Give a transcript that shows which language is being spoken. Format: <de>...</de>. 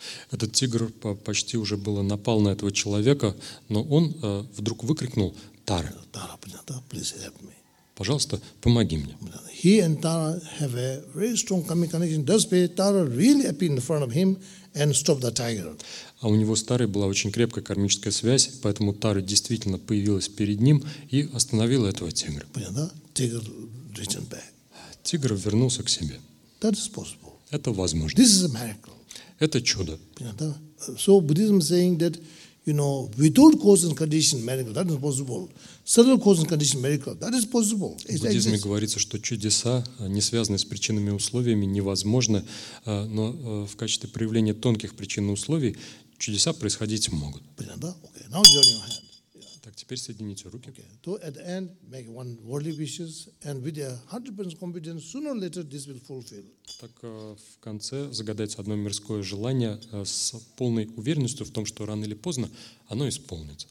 <ru>Этот тигр почти уже было напал на этого человека, но он вдруг выкрикнул, Тара. Тара, понятно,</ru> <en>please help me.</en> <ru>Пожалуйста, помоги мне.</ru> <en>He and Tara have a very strong karmic connection. Thus, Tara really appeared in front of him and stopped the tiger.</en> <ru>А у него с Тарой была очень крепкая кармическая связь, поэтому Тара действительно появилась перед ним и остановила этого тигра. Понятно, да?</ru> <en>Tiger returned back.</en> <ru>Тигр вернулся к себе.</ru> <en>That is possible.</en> <ru>Это возможно.</ru> <en>This is a miracle.</en> <ru>Это чудо. Понятно, да?</ru> <en>So Buddhism saying that, you know, without cause and condition miracle, that is possible. Subtle cause and condition miracle, that is possible. It's</en> <ru>в буддизме говорится, что чудеса, не связанные с причинными и условиями, невозможны, но в качестве проявления тонких причин и условий чудеса происходить могут. Понятно, да?</ru> <en>Okay. Now join your hand. Yeah.</en> <ru>Так, теперь соедините руки.</ru> <en>Okay. So at the end, make one worldly wishes, and with a 100% confidence, sooner or later this will fulfill.</en> <ru>Так, в конце загадайте одно мирское желание с полной уверенностью в том, что рано или поздно оно исполнится.</ru>